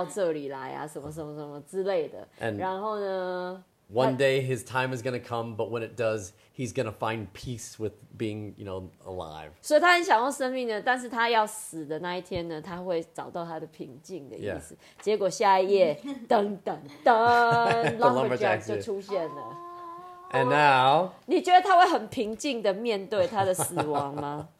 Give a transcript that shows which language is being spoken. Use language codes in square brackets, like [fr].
[zh] 然后他所有人生的经历让他到这里来啊什么什么什么之类的 然后呢 [en] One day his time is going to come, but when it does, he's going to find peace with being, you know, alive. [zh] 所以他很想要生命呢,但是他要死的那一天呢,他会找到他的平静的意思。结果下一页, 噔噔噔, Lumberjack就出现了。 [en] And now... [zh] 你觉得他会很平静地面对他的死亡吗?